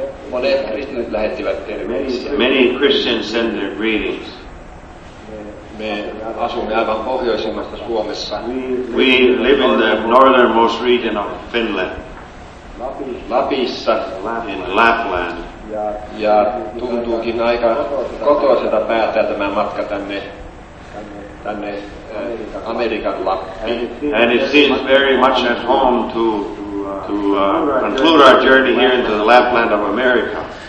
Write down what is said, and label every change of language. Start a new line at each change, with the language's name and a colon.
Finnish: Monet kristityt lähettivät terveisiä.
English: Many Christians send their greetings.
Finnish: Me asumme aivan pohjoisimmasta Suomessa.
English: We live in the northernmost region of Finland.
Finnish: Lapissa.
English: In Lapland.
Finnish: Ja tuntuukin aika kotoiselta päättää tämä matka tänne Amerikan Lappiin.
English: And it seems very much at home to conclude our journey here into the Lapland of America.